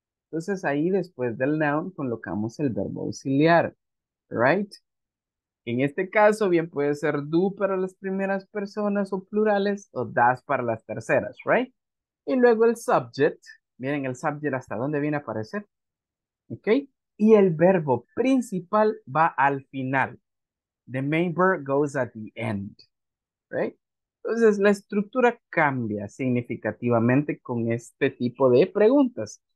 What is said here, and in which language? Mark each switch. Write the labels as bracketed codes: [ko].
[es] Entonces ahí después del noun colocamos el verbo auxiliar, right? En este caso bien puede ser do para las primeras personas o plurales o das para las terceras, right? Y luego el subject, miren el subject hasta dónde viene a aparecer, ¿ok? Y el verbo principal va al final. [en] The main verb goes at the end, right? [es] Entonces, la estructura cambia significativamente con este tipo de preguntas.